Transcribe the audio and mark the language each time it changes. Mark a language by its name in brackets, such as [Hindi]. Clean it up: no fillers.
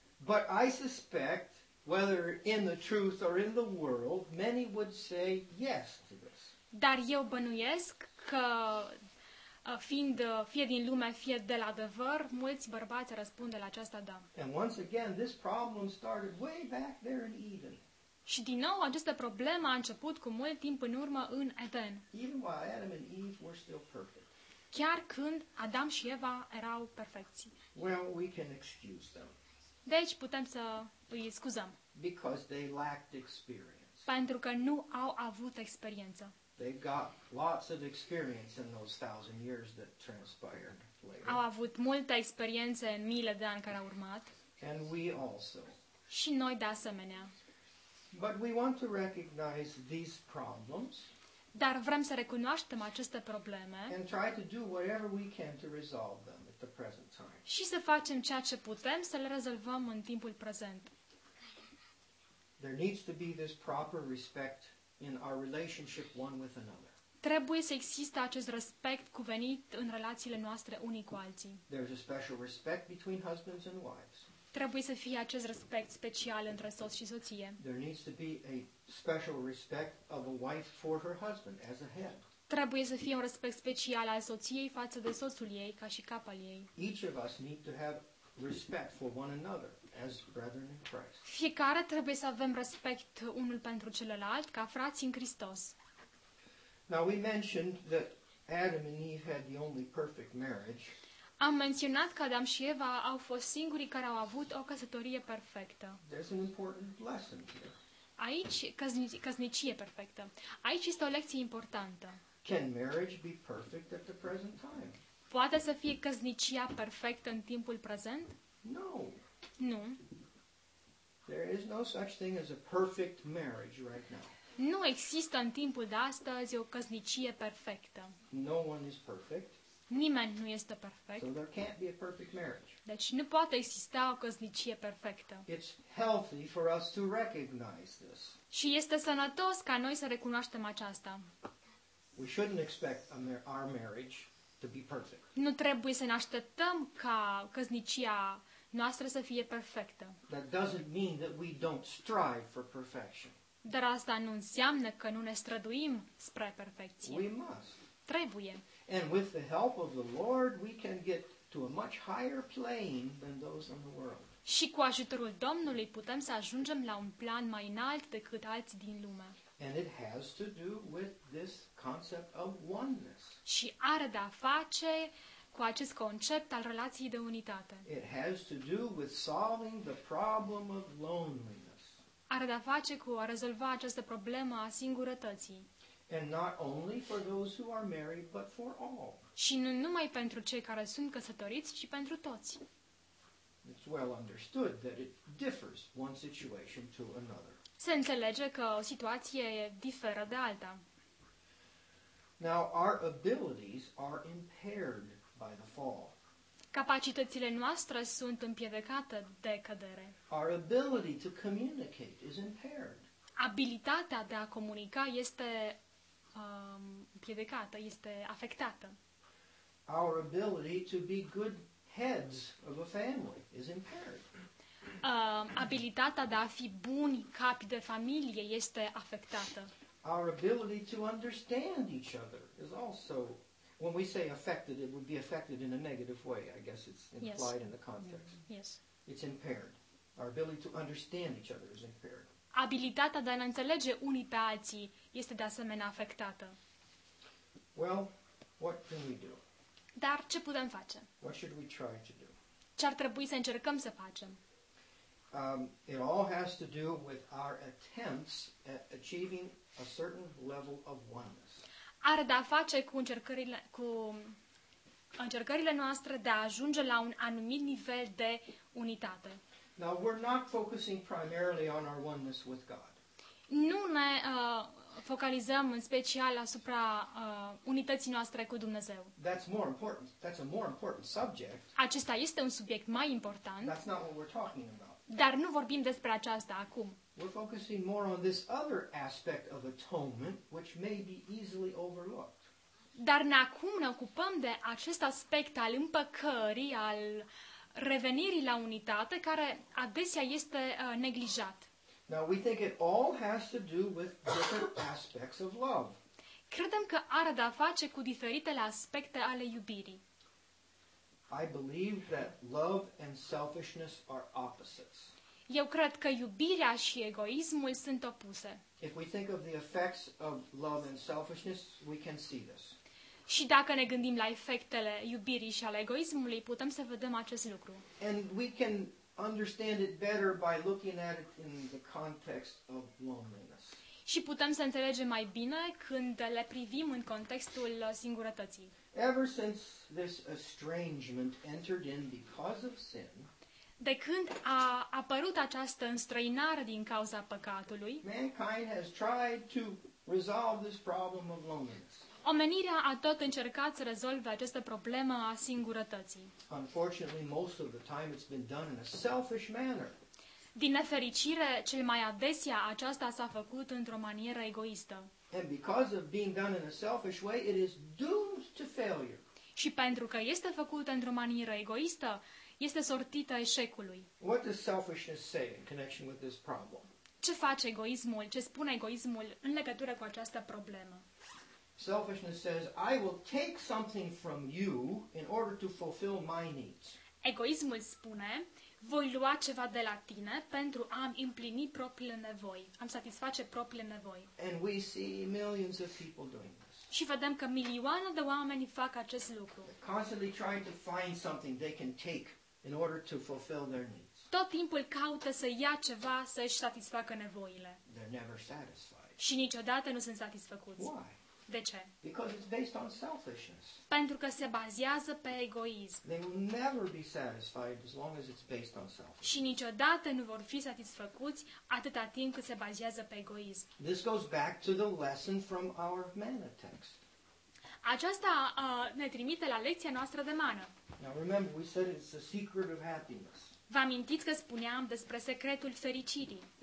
[English] But I suspect, whether in the truth or in the world, many would say yes to this. [Romanian] Dar eu bănuiesc că fiind fie din lume, fie de la adevăr, mulți bărbați răspunde la aceasta da. [English] And once again, this problem started way back there in Eden. [Romanian] Și din nou, această problemă a început cu mult timp în urmă în Eden. [English] Even while Adam and Eve were still perfect. [Romanian] Chiar când Adam și Eva erau perfecți. [English] Well, we can excuse them. [Romanian] Deci putem să îi scuzăm. [English] Because they lacked experience. [Romanian] Pentru că nu au avut experiență. [English] They've got lots of experience in those thousand years that transpired later. [Romanian] Au avut multă experiență în miile de ani care au urmat. [English] And we also. [Romanian] Și noi de asemenea. [English] But we want to recognize these problems. [Romanian] Dar vrem să recunoaștem aceste probleme. [English] And try to do whatever we can to resolve them at the present time. [Romanian] Și să facem ceea ce putem să le rezolvăm în timpul prezent. [English] There needs to be this proper respect in our relationship one with another. [Romanian] Trebuie să existe acest respect cuvenit în relațiile noastre unii cu alții. [English] There's a special respect between husbands and wives. [Romanian] Trebuie să fie acest respect special între soț și soție. [English] There needs to be a special respect of a wife for her husband as a head. [Romanian] Trebuie să fie un respect special al soției față de soțul ei ca și cap al ei. [English] Each of us need to have respect for one another as brethren in Christ. [Romanian] Fiecare trebuie să avem respect unul pentru celălalt ca frați în Hristos. [English] Now we mentioned that Adam and Eve had the only perfect marriage. [Romanian] Am menționat că Adam și Eva au fost singurii care au avut o căsătorie perfectă. [English] There's an important lesson here. [Romanian] Aici, căsnicie perfectă. Aici este o lecție importantă. [English] Can marriage be perfect at the present time? [Romanian] Poate să fie căsnicia perfectă în timpul prezent? [English] No. [Romanian] Nu. [English] There is no such thing as a perfect marriage right now. [Romanian] Nu există în timpul de astăzi o căsnicie perfectă. [English] No one is perfect. [Romanian] Nimeni nu este perfect. [English] So there can't be a perfect marriage. [Romanian] Deci nu poate exista o căsnicie perfectă. [English] It's healthy for us to recognize this. [Romanian] Și este sănătos ca noi să recunoaștem aceasta. [English] We shouldn't expect our marriage to be perfect. [Romanian] Nu trebuie să ne așteptăm ca căsnicia noastră să fie perfectă. [English] That doesn't mean that we don't strive for perfection. [Romanian] Dar asta nu înseamnă că nu ne străduim spre perfecție. [English] We must. [Romanian] Trebuie. [English] And with the help of the Lord, we can get to a much higher plane than those in the world. [Romanian] Și cu ajutorul Domnului putem să ajungem la un plan mai înalt decât alții din lume. [English] And it has to do with this concept of oneness. [Romanian] Și are de-a face cu acest concept al relației de unitate. [English] It has to do with solving the problem of loneliness. [Romanian] Are de-a face cu a rezolva această problemă a singurătății. [English] And not only for those who are married, but for all. [Romanian] Și nu numai pentru cei care sunt căsătoriți, ci pentru toți. [English] It's well understood that it differs one situation to another. [Romanian] Se înțelege că o situație e diferă de alta. [English] Now, our abilities are impaired by the fall. [Romanian] Capacitățile noastre sunt împiedicate de cădere. [English] Our ability to communicate is impaired. [Romanian] Abilitatea de a comunica este împiedicată, este afectată. [English] Our ability to be good heads of a family is impaired. [Romanian] Abilitatea de a fi buni capi de familie este afectată. [English] Our ability to understand each other is also, when we say affected, it would be affected in a negative way. I guess it's implied yes. in the context. Mm-hmm. Yes. It's impaired. Our ability to understand each other is impaired. [Romanian] Abilitatea de a ne înțelege unii pe alții este de asemenea afectată. [English] Well, what can we do? [Romanian] Dar ce putem face? [English] What should we try to do? [Romanian] Ce ar trebui să încercăm să facem? [English] It all has to do with our attempts at achieving a certain level of oneness. [Romanian] Are de-a face cu încercările noastre de a ajunge la un anumit nivel de unitate. [English] Now we're not focusing primarily on our oneness with God. [Romanian] Nu ne focalizăm în special asupra unității noastre cu Dumnezeu. [English] That's more important. That's a more important subject. [Romanian] Acesta este un subiect mai important. [English] That's not what we're talking about. [Romanian] Dar nu vorbim despre aceasta acum. [English] We're focusing more on this other aspect of atonement, which may be easily overlooked. [Romanian] Dar acum ne ocupăm de acest aspect al împăcării, al revenirii la unitate, care adesea este neglijat. [English] Now we think it all has to do with different aspects of love. [Romanian] Credem că are de-a face cu diferitele aspecte ale iubirii. [English] I believe that love and selfishness are opposites. [Romanian] Eu cred că iubirea și egoismul sunt opuse. [English] If we think of the effects of love and selfishness, we can see this. [Romanian] Și dacă ne gândim la efectele iubirii și ale egoismului, putem să vedem acest lucru. [English] And we can understand it better by looking at it in the context of loneliness. [Romanian] Și putem să înțelegem mai bine când le privim în contextul singurătății. [English] Ever since this estrangement entered in because of sin, [Romanian] de când a apărut această înstrăinare din cauza păcatului, [English] mankind has tried to resolve this problem of loneliness. [Romanian] Omenirea a tot încercat să rezolve această problemă a singurătății. [English] Unfortunately, most of the time it's been done in a selfish manner. [Romanian] Din nefericire, cel mai adesea aceasta s-a făcut într-o manieră egoistă. [English] And because of being done in a selfish way, it is doomed to failure. [Romanian] Și pentru că este făcută într-o manieră egoistă, este sortită eșecului. [English] What does selfishness say in connection with this problem? [Romanian] Ce face egoismul? Ce spune egoismul în legătură cu această problemă? [English] Selfishness says, I will take something from you in order to fulfill my needs. [Romanian] Egoismul spune, voi lua ceva de la tine pentru a-mi împlini propriile nevoi, a-mi satisface propriile nevoi. [English] And we see millions of people doing this. [Romanian] Și vedem că milioane de oameni fac acest lucru. [English] They're constantly trying to find something they can take in order to fulfill their needs. [Romanian] Tot timpul caută să ia ceva să își satisfacă nevoile. [English] They're never satisfied. [Romanian] Și niciodată nu sunt satisfăcuți. [English] Why? [Romanian] De ce? [English] Because it's based on selfishness. [Romanian] Pentru că se bazează pe egoism. [English] They will never be satisfied as long as it's based on selfishness. [Romanian] Și niciodată nu vor fi satisfăcuți atâta timp cât se bazează pe egoism. [English] This goes back to the lesson from our mana text. [Romanian] Aceasta ne trimite la lecția noastră de mană. [English] Now remember, we said it's the secret of happiness. [Romanian] Vă amintiți că spuneam despre secretul fericirii.